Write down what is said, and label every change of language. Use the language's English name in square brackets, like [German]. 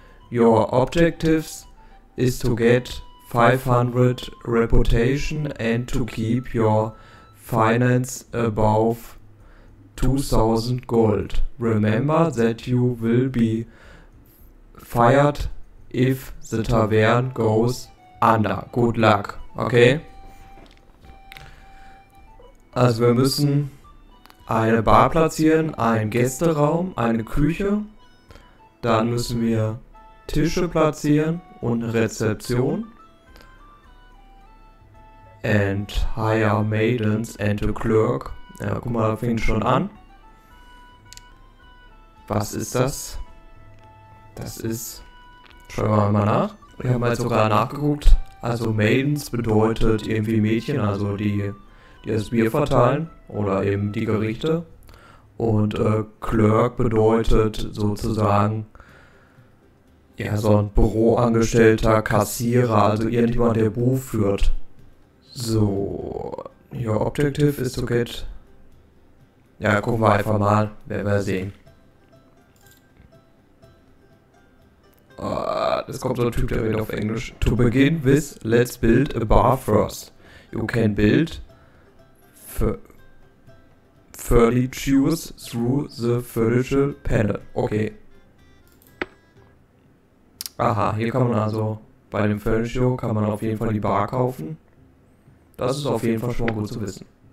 [English] Your objectives is to get 500 reputation and to keep your finance above 2000 gold. Remember that you will be fired if the tavern goes under. Good luck, okay? [German] Also wir müssen eine Bar platzieren, einen Gästeraum, eine Küche. Dann müssen wir Tische platzieren und Rezeption. [English] And hire maidens and a clerk. [German] Ja, guck mal, da fängt schon an. Was ist das? Das ist. Schauen wir mal nach. Ich habe mal jetzt sogar nachgeguckt. Also, maidens bedeutet irgendwie Mädchen, also die das Bier verteilen oder eben die Gerichte. Und clerk bedeutet sozusagen. Ja, so ein Büroangestellter, Kassierer, also irgendjemand, der Buch führt. [English] So, your objective is to get. [German] Ja, gucken wir einfach mal, werden wir sehen. Das kommt so ein Typ, der redet auf Englisch. [English] To begin with, let's build a bar first. You can build furnitures through the furniture panel. Okay. [German] Aha, hier kann man also bei dem Furniture kann man auf jeden Fall die Bar kaufen. Das ist auf jeden Fall schon mal gut zu wissen.